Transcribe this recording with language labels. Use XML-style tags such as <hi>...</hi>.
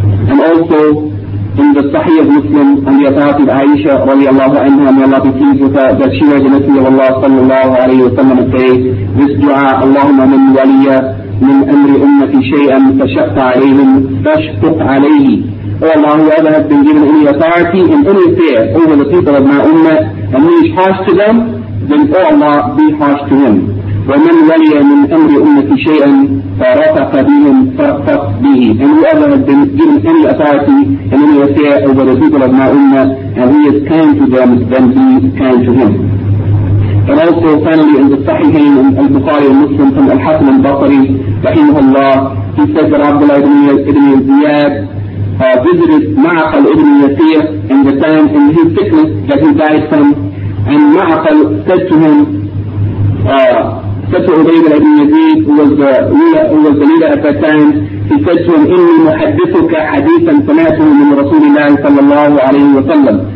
<en>And also in the Sahih of Muslim, on the authority of Aisha radiallahu anha, may Allah be pleased with her, that she was the Messenger of Allah sallallahu alayhi wa sallam, and say this dua, Allahumma min waliya</en> <ar>من أمر أمتي شيئا فشق عليهم فاشفق عليه.</ar> <en>Oh Allah, whoever has been given any authority in any affair over the people of my ummah, and he is harsh to them, then oh Allah, be harsh to him.</en> <ar>ومن ولي من أمر أمتي شيئا فرفق بهم فرفق به.</ar> <en>And whoever has been given any authority in any affair over the people of my ummah, and he is kind to them, then be kind to him. And also finally in the Sahihain, in Al-Bukhari al-Muslim from Al-Hasan al-Basri, rahimahullah, he said that Abdullah ibn Ziyad visited Ma'aqal ibn Yasir in the time in his sickness that he died from, and Ma'aqal said to him, said to Ubayd ibn Yazid, who was the leader at that time, he said to him,</en> <ar>إِنِّي مُحَدِّثُكَ حَدِيثًا سَمَعْتُهُ مِنْ رَسُولِ اللَّهِ صَلَّى اللَّهُ عَلَيْهِ وَسَلَّمْ.</ar>